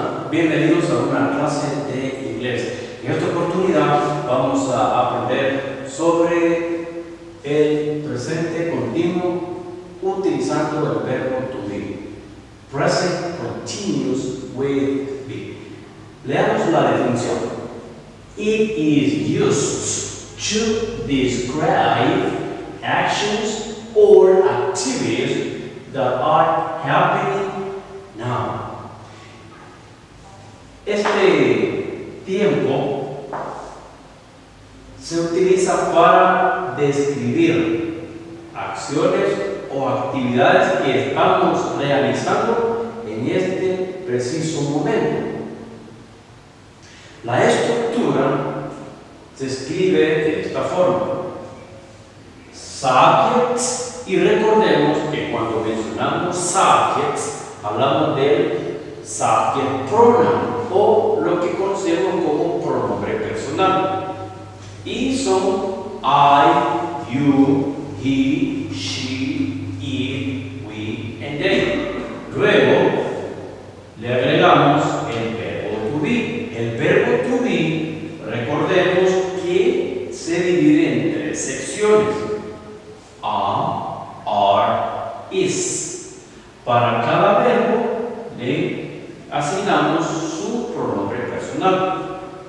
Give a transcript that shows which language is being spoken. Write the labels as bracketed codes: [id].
[es] Bienvenidos a una clase de inglés. En esta oportunidad vamos a aprender sobre el presente continuo utilizando el verbo to be. [en] Present continuous with be. [es] Leamos la definición. [en] It is used to describe actions or activities that are happening now. [es] Este tiempo se utiliza para describir acciones o actividades que estamos realizando en este preciso momento. La estructura se escribe de esta forma. Subjects, y recordemos que cuando mencionamos subjects, hablamos del subject pronoun, o lo que conocemos como pronombre personal. Y son [en] I, you, he, she, it, we, and they. [es] Luego, le agregamos el verbo to be. El verbo to be, recordemos que se divide en tres secciones. [en] Am, are, is. [es] Para cada verbo, le asignamos su pronombre personal.